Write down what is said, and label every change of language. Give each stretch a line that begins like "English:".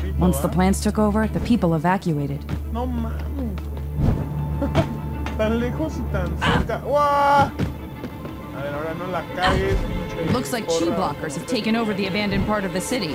English: Once the plants took over, the people evacuated.
Spanish: No mames. Tan lejos y tan cerca. ¡Wah! A ver, ahora no la caes, pinche.
English: Looks like chew blockers have taken over the abandoned part of the city.